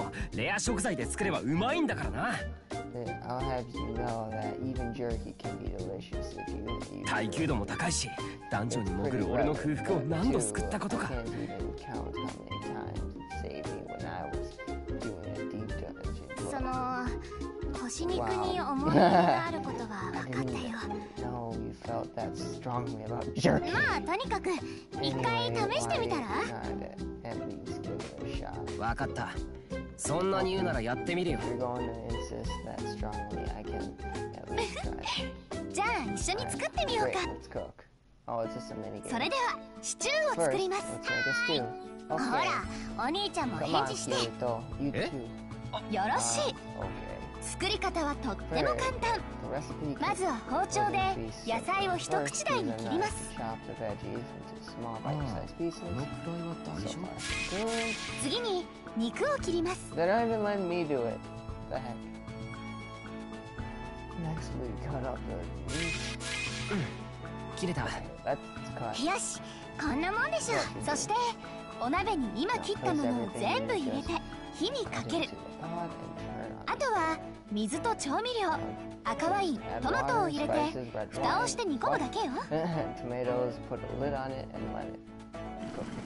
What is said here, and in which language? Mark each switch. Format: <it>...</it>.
<ja>干し肉とか。加工したって感じかな。おい、今心の中でバカにしただろ。たとえ干し肉でもレア食材で作ればうまいんだからな。</ja> <en>I'll have you know that even jerky can be delicious if you eat it.</en> <ja>耐久度も高いし、ダンジョンに潜る俺の空腹を何度救ったことか。</ja> <en>Can't even count how many times it saved me when I was doing a deep dungeon.</en> <ja>その、腰肉に思い入れがあることが分かったよ。</ja> <en>No, you felt that strongly about jerky.</en> <ja>まあ、とにかく、一回試してみたら? 分かった。そんなに言うならやってみるよ。</ja> <en>You're going to insist that strongly, I can at least try.</en> <ja>じゃあ、一緒に作ってみようか。</ja> <en>Great, let's cook. Oh, it's just a mini game.</en> <ja>それでは、シチューを作ります。</ja> <en>First, let's make a stew. Okay.</en> <ja>ほら、お兄ちゃんも返事して。</ja> <en>Come on, Kirito. You too.</en> <ja>よろしい。</ja> <en>Okay.</en> <ja>作り方はとっても簡単。</ja> <en>The recipe can...</en> <ja>まずは包丁で野菜を一口大に切ります。</ja> <en>Chop the veggies into small bite-sized pieces.</en> <ja>このくらいは大丈夫?</ja> <en>So far, good.</en> <ja>次に、 肉を切ります。</ja> <en>They don't even let me do it. The heck. Next we cut up the meat.</en> <ja>切れた。</ja> <en>Let's cut.</en> <ja>よし、こんなもんでしょ。そして、お鍋に今切ったものを全部入れて火にかける。あとは水と調味料、赤ワイン、トマトを入れて蓋をして煮込むだけよ。</ja> <en>Tomatoes, put a lid on it and let it cook.</en>